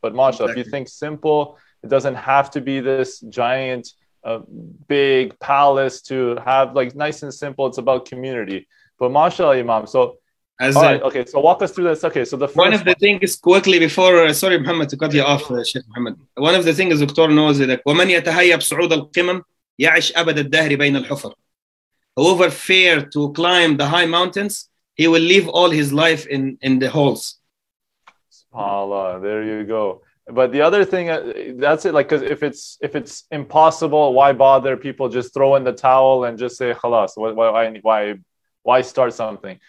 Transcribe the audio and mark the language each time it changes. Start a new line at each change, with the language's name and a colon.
English: But mashallah, exactly. If you think simple, it doesn't have to be this giant, big palace to have, nice and simple. It's about community. But mashallah, Imam, so... So walk us through this. Okay, so the first one of the things quickly before, sorry, Muhammad, to cut you off, Sheikh Muhammad. One of the things, Doctor knows that
Arabic: وَمَنْ يَتَهَيَّبْ صُعُودَ الْقِمَمْ يَعِشْ أَبَدَ الدَّهْرِ بَيْنَ الْحُفَرِ.
English: Whoever fear to climb the high mountains, he will live all his life in the holes. SubhanAllah, there you go. But the other thing, that's it. Because if it's impossible, why bother? People just throw in the towel and just say, khalas, why start something?